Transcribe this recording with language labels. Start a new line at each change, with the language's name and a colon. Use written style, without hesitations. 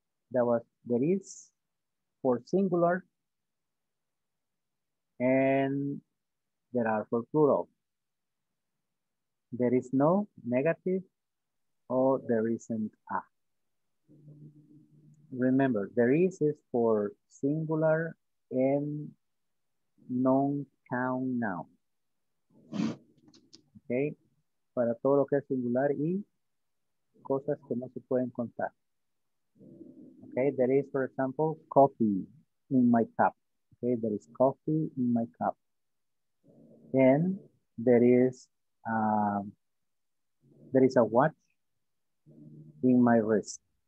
English: That was there is for singular and there are for plural. There is no negative or there isn't a. Remember, there is for singular and non-count noun.
Spanish: Okay, para todo lo que es singular y cosas que no se pueden contar.
English: Okay, there is, for example, coffee in my cup. Okay, there is coffee in my cup. And there is a watch in my wrist.